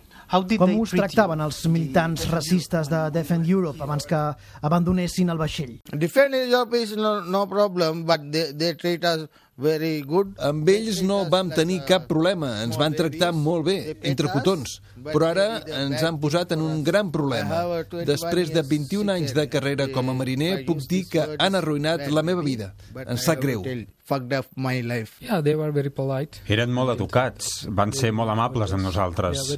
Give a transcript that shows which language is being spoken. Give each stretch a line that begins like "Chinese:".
Catalan: Com us tractaven els militants racistes de Defend Europe abans que abandonessin el vaixell?
English: Defend Europe is no problem, but they treat us very good.
Catalan: Amb ells no vam tenir cap problema, ens van tractar molt bé, entre cotons. Però ara ens han posat en un gran problema. Després de 21 anys de carrera com a mariner, puc dir que han arruïnat la meva vida. Em sap greu. Eren molt educats, van ser molt amables amb nosaltres.